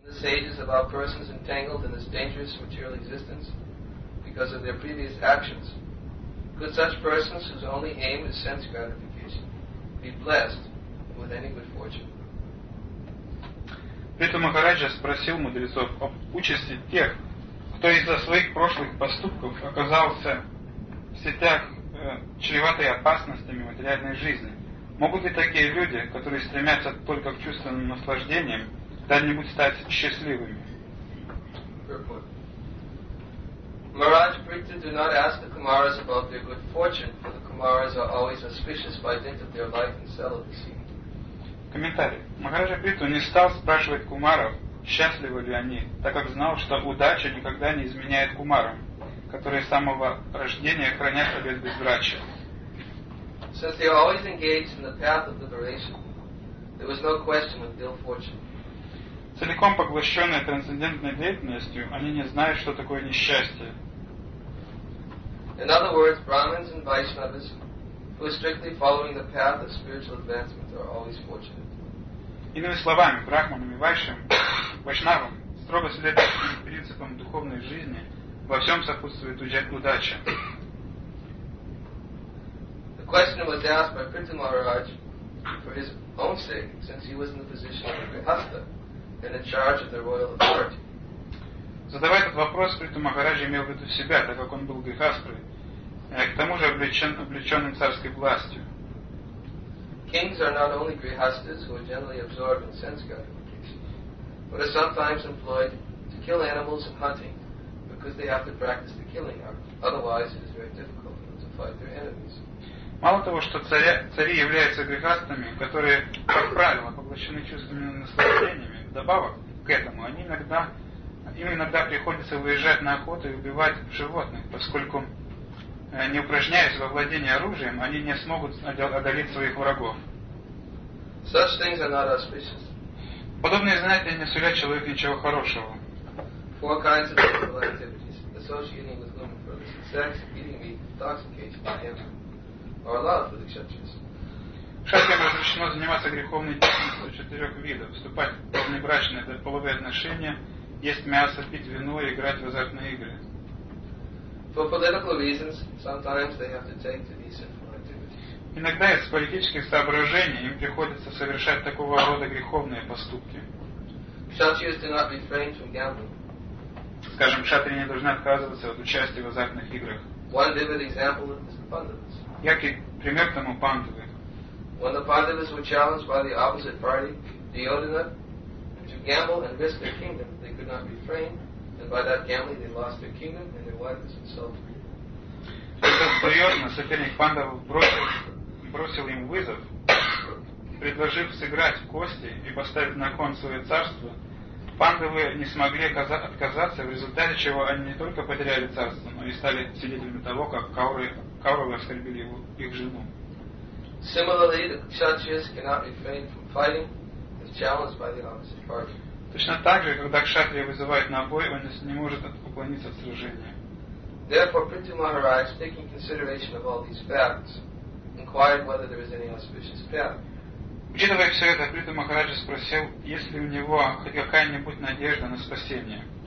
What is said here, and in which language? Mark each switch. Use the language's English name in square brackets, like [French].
[English] sages about persons entangled in this dangerous material existence because of their previous actions? Could such persons, whose only aim is sense gratification, be blessed with any good fortune? [Russian] При этом Махараджа спросил мудрецов об участи тех, кто из-за своих прошлых поступков оказался в сетях, чреватой опасностями материальной жизни. Могут ли такие люди, которые стремятся только к чувственным наслаждениям, когда-нибудь стать счастливыми? [English] Maharaj Prita, do not ask the Kumaras about their good fortune, for the Kumaras are always auspicious by dint of their life and celibacy. [Russian] Комментарий. Махараджа Приту не стал спрашивать кумаров, счастливы ли они, так как знал, что удача никогда не изменяет кумарам, которые с самого рождения хранят обет безбрачия. [English] Since they are always engaged in the path of liberation, there was no question of ill fortune. [Russian] Целиком поглощенные трансцендентной деятельностью, они не знают, что такое несчастье. [English] In other words, Brahmins and Vaishnavas who are strictly following the path of spiritual advancement are always fortunate. [Russian] Иными словами, брахманам и вайшнавам, строго следующим принципам духовной жизни, во всем сопутствует удача. [English] The question was asked by Prita Maharaj for his own sake, since he was in the position of a grihastha and in charge of the royal authority. [Russian] Задавая этот вопрос, Прита Махараджа имел в виду себя, так как он был грихастрой. К тому же облеченным царской властью. [English] Kings are not only grihasthas who are generally absorbed in sense gratification, but are sometimes employed to kill animals and hunting because they have to practice the killing art. Otherwise, it is very difficult for them to fight their enemies. [Russian] Мало того, что цари являются грихастами, которые, как правило, поглощены чувственными наслаждениями, вдобавок к этому, им иногда приходится выезжать на охоту и убивать животных, поскольку не упражняясь во владении оружием, они не смогут одолеть своих врагов. [English] Such things are not auspicious. [Russian] Подобные занятия не сулят человеку ничего хорошего. [English] Four kinds of physical activities, associating with women for sex, eating meat, intoxication, or love for the kshatriyas. [Russian] Кшатриям разрешено заниматься греховной деятельностью четырех видов, вступать в внебрачные половые отношения, есть мясо, пить вино и играть в азартные игры. [English] For political reasons, sometimes they have to take to these sinful activities. [Russian] Иногда из политических соображений им приходится совершать такого рода греховные поступки. [English] Kshatriyas do not refrain from gambling. [Russian] Скажем, кшатрия не должна отказываться от участия в азартных играх. [English] One vivid example is the Pandavas. [Russian] Яркий пример тому Пандавы. [English] When the Pandavas were challenged by the opposite party, Duryodhana, to gamble and risk their kingdom, they could not refrain. And by that gambling, they lost their kingdom and their wives and so on. [Russian] Когда Дурьотна, соперник Пандавов, бросил им вызов, предложив сыграть в кости и поставить на кон свое царство, Пандавы не смогли отказаться, в результате чего они не только потеряли царство, но и стали свидетелями того, как Кауровы оскорбили их жену. [English] Similarly, the Kshatriyas cannot refrain from fighting if challenged by the opposite party. [Russian] Точно так же, когда кшатрия вызывает на бой, он не может уклониться от сражения. [English] Therefore, Prithu Maharaj, taking consideration of all these facts, inquired whether there is any auspicious path. [Russian] Учитывая все это, Прита Махараджа спросил, есть ли у него хоть какая-нибудь надежда на спасение.